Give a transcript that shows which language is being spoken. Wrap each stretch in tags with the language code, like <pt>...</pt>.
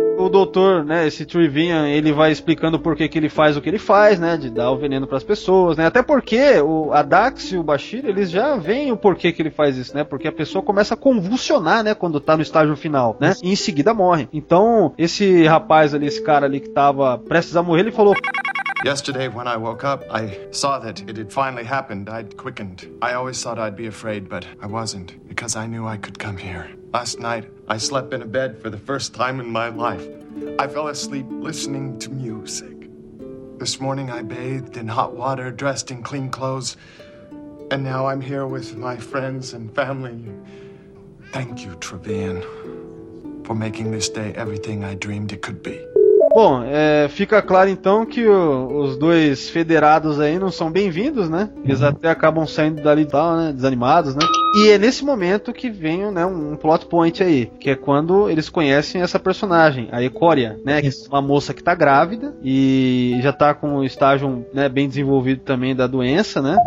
<pt>doutor, né, esse Trevelyan, ele vai explicando por que que ele faz o que ele faz, né, de dar o veneno pras pessoas, né, até porque a Dax e o Bashir, eles já veem o porquê que ele faz isso, né, porque a pessoa começa a convulsionar, né, quando tá no estágio final, né, e em seguida morre. Então, esse rapaz ali, esse cara ali que tava prestes a morrer, ele falou...</pt> <en>Yesterday, when I woke up, I saw that it had finally happened. I'd quickened. I always thought I'd be afraid, but I wasn't, because I knew I could come here. Last night, I slept in a bed for the first time in my life. I fell asleep listening to music. This morning, I bathed in hot water, dressed in clean clothes, and now I'm here with my friends and family. Thank you, Trevelyan, for making this day everything I dreamed it could be.</en> <pt>Bom, fica claro então que os dois federados aí não são bem-vindos, né? Eles até acabam saindo dali e tal, né? Desanimados, né? E é nesse momento que vem, né, um plot point aí, que é quando eles conhecem essa personagem, a Ikoria, né? Que é uma moça que tá grávida e já tá com um estágio, né, bem desenvolvido também da doença, né?</pt>